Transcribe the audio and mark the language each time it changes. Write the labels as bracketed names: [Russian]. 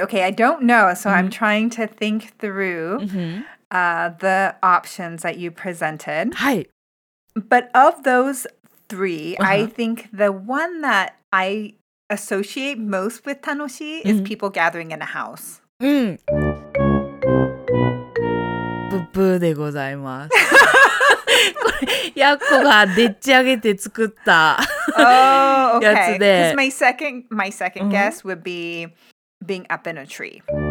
[English] Okay, I don't know, so I'm trying to think through the options that you presented. [Japanese] はい。 [English] But of those three, I think the one that I... associate most with tanoshi is people gathering in a house. [Japanese] ブブでございます。これヤコがでっち上げて作ったやつで。 [English] Oh, okay. Because my second guess would be being up in a tree.